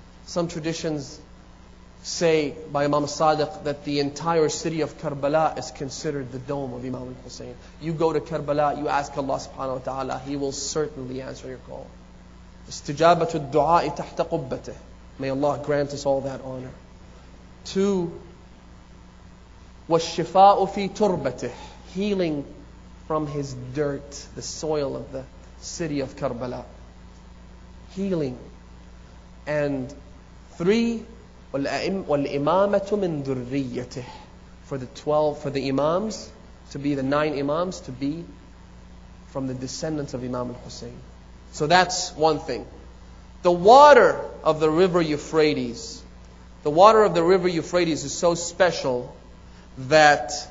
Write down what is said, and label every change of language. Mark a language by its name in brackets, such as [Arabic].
[English] Some traditions say by Imam Sadiq that the entire city of Karbala is considered the dome of Imam Hussein. You go to Karbala, you ask Allah subhanahu wa ta'ala, he will certainly answer your call. [Arabic] Istijabatu du'a tahta qubbatih. [English] May Allah grant us all that honor. Two, [Arabic] وَالشِّفَاءُ فِي تُرْبَتِهِ. [English] Healing from his dirt, the soil of the city of Karbala. Healing. And three, [Arabic] وَالْإِمَامَةُ مِنْ ذُرِّيَّتِهِ. [English] For the 12, for the imams, to be the 9 imams, to be from the descendants of Imam al-Hussein. So that's one thing. The water of the river Euphrates. The water of the river Euphrates is so special that